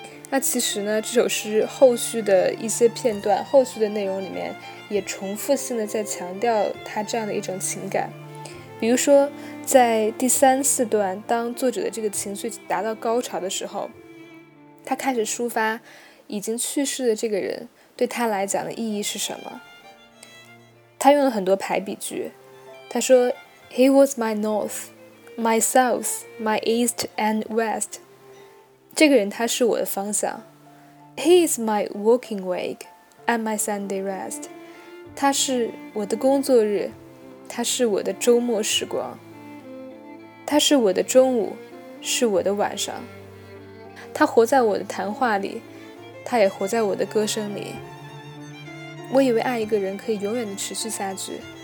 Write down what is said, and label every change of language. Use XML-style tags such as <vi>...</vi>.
<zh>那其实呢，这首诗后续的一些片段，后续的内容里面也重复性的在强调他这样的一种情感。比如说在第三四段，当作者的这个情绪达到高潮的时候，他开始抒发已经去世的这个人对他来讲的意义是什么。他用了很多排比句，他说</zh> <en>He was my north, my south, my east and west。</en> <zh>这个人他是我的方向，</zh> <en>He is my working week and my Sunday rest.</en> <zh>他是我的工作日，他是我的周末时光。他是我的中午，是我的晚上。他活在我的谈话里，他也活在我的歌声里。我以为爱一个人可以永远地持续下去，</zh>